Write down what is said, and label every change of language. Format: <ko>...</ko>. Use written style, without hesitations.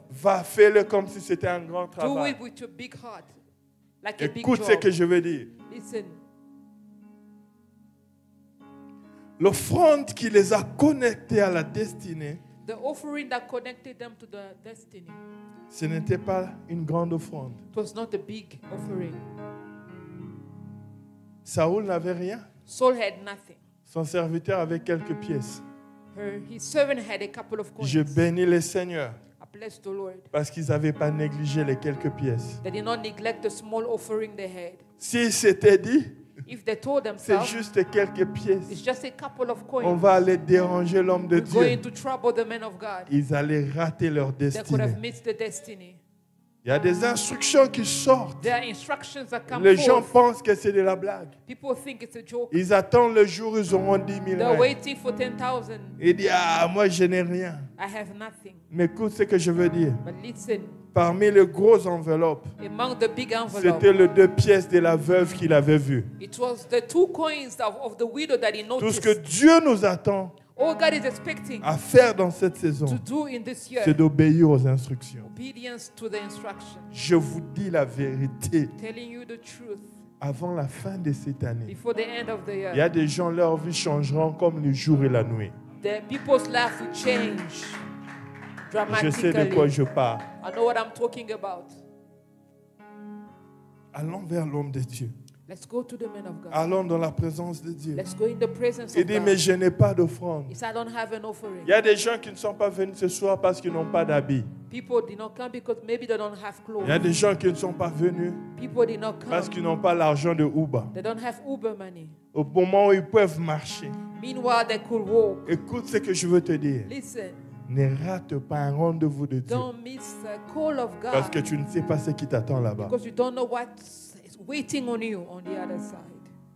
<fr>Va, fais-le comme si c'était un grand travail.</fr> <en>Do it with a big heart, like</en> <fr>écoute</fr> <en>a big</en> <fr>ce que je veux dire.</fr> <en>Listen.</en> <fr>L'offrande qui les a connectés à la destinée,</fr> <en>the offering that connected them to the destiny,</en> <fr>ce n'était pas une grande offrande.</fr> <en>It was not a big offering.</en> <fr>Saul n'avait rien.</fr> <en>Saul had nothing.</en> <fr>Son serviteur avait quelques pièces.</fr> <en>His servant had a couple of coins.</en> <fr>Je bénis le Seigneur.</fr> <en>I bless the Lord.</en> <fr>Parce qu'ils n'avaient pas négligé les quelques pièces.</fr> <en>They did not neglect the small offering they had.</en> <fr>Si c'était dit,</fr> <en>if they told themselves,</en> <fr>c'est juste quelques pièces.</fr> <en>It's just a couple of coins.</en> <fr>On va aller déranger l'homme de</fr> <en>we're</en> <fr>Dieu.</fr> <en>Going to trouble the man of God.</en> <fr>Ils allaient rater leur destinée.</fr> <en>They could have missed the destiny.</en> <fr>Il y a des instructions qui sortent.</fr> <en>There are instructions that come</en> <fr>les gens</fr> <en>forth.</en> <fr>Pensent que c'est de la blague.</fr> <en>People think it's a joke.</en> <fr>Ils attendent le jour où ils auront 10 000</fr> <en>rennes. They're waiting for 10,000.</en> <fr>Ils disent, ah, moi, je n'ai rien.</fr> <en>I have nothing.</en> <fr>Mais écoute ce que je veux dire.</fr> <en>But listen.</en> <fr>Parmi les grosses enveloppes,</fr> <en>among the big envelope,</en> <fr>c'était les deux pièces de la veuve qu'il avait vue.</fr> <en>It was the two coins of the widow that he noticed.</en> <fr>Tout ce que Dieu nous attend</fr> <en>all God is expecting</en> <fr>à faire dans cette saison,</fr> <en>to do in this year,</en> <fr>c'est d'obéir aux instructions.</fr> <en>Obedience to the instructions.</en> <fr>Je vous dis la vérité.</fr> <en>Telling you the truth.</en> <fr>Avant la fin de cette année,</fr> <en>before the end of the year,</en> <fr>il y a des gens, leur vie changera comme le jour et la nuit.</fr> <en>The people's life will change dramatically.</en> <fr>Je sais de quoi je parle.</fr> <en>I know what I'm talking about.</en> <fr>Allons vers l'homme de Dieu.</fr> <en>Let's go to the man of God.</en> <fr>Allons dans la présence de Dieu.</fr> <en>Let's go in the presence</en> <fr>Il dit,</fr> <en>of</en> <fr>mais</fr> <en>God.</en> <fr>Je n'ai pas d'offrande.</fr> <en>He said, I don't have an offering.</en> <fr>Il y a des gens qui ne sont pas venus ce soir parce qu'ils n'ont pas d'habit.</fr> <en>People did not come because maybe they don't have clothes.</en> <fr>Il y a des gens qui ne sont pas venus parce qu'ils n'ont pas l'argent de Uber.</fr> <en>They don't have Uber money.</en> <fr>Au moment où ils peuvent marcher.</fr> <en>Meanwhile, they could walk.</en> <fr>Écoute ce que je veux te dire.</fr> <en>Listen.</en> <fr>Ne rate pas un rendez-vous de Dieu.</fr> <en>Don't miss a call of God.</en> <fr>Parce que tu ne sais pas ce qui t'attend là-bas.</fr> <en>Because you don't know what is waiting on you on the other side.</en>